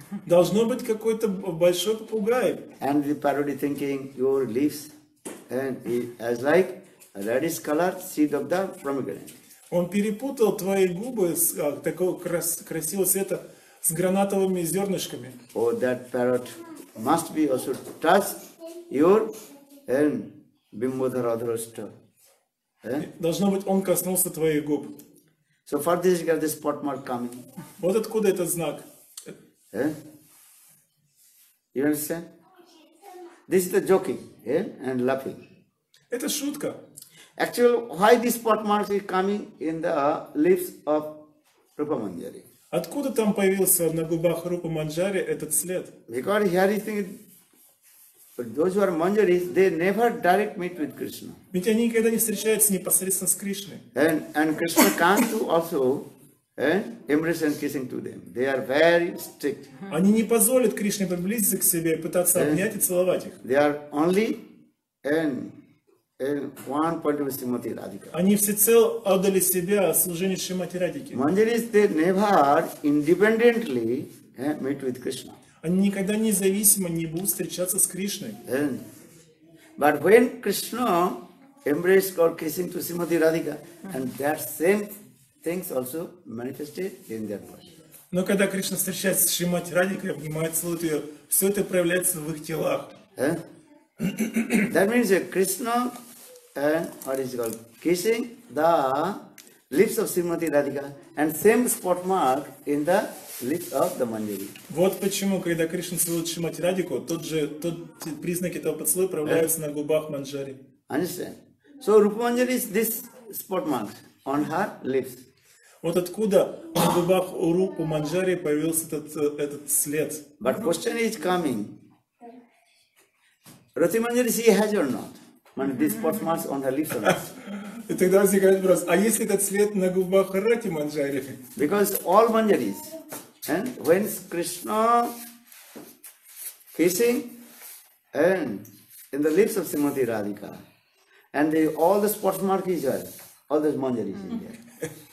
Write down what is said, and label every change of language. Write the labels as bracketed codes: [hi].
[ru] Должно быть какой-то большой попугай. [en] And the parrot is thinking your leaves and it has like a reddish color seed of the pomegranate. [ru] Он перепутал твои губы с такого красивого цвета с гранатовыми зернышками. [en] Oh, that parrot must be also touched your and bimbodharadhrashta. [ru] Должно быть, он коснулся твоих губ. [en] So for this regard, this spot mark coming. [ru] Вот откуда этот знак? [en] You understand? This is the joking, and laughing. [ru] Это шутка. [en] Actually, why this spot mark is coming in the lips of Rupa Manjari? [ru] Откуда там появился на губах Рупа Манджари этот след? [en] Because here you think, those who are Manjaris, they never direct meet with Krishna. [ru] Ведь они никогда не встречаются непосредственно с Кришной. [en] And Krishna can't also embrace and kissing to them. They are very strict. [ru] Они не позволят Кришне приблизиться к себе и пытаться обнять и целовать их. [en] They are only and one point of Srimati Radhika. [ru] Они всецело отдали себя служению Шримати Радхике. [en] Manjaris, they never independently meet with Krishna. [ru] Они никогда независимо не будут встречаться с Кришной. [en] But when Krishna embraces or kissing to Srimati Radhika, and that same things also manifested in their body. [ru] Но когда Кришна встречается с Шримати Радхикой, обнимает, целует ее, все это проявляется в их телах. [en] That means that Krishna what is it called, kissing the lips of Srimati Radhika and same spot mark in the lips of the Manjari. [ru] Вот почему, когда Кришна целует Шримати Радхику, тот признак этого поцелуя проявляется на губах Манджари. [en] Understand? So Rupa Manjari is this spot mark on her lips. [ru] Вот откуда на губах у Рупы Манджари появился этот след. [en] But question is coming. Rati Manjari, she has or not? This spot mark on her lips or not? [ru] И тогда возникает вопрос, а если этот след на губах Рати Манджари? [en] Because all Manjaris, and when Krishna kissing and in the lips of Srimati Radhika, and all the spot mark is there, all those Manjaris in there.